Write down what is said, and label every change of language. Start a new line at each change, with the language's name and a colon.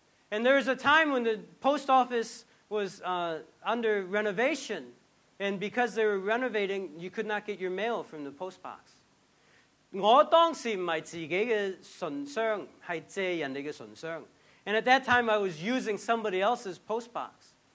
English: And there was a time when the post office was under renovation, and because they were renovating, you could not get your mail from the post box.
Chinese: 我当时不是自己的纯箱，是借人家的纯箱。
English: And at that time, I was using somebody else's post box.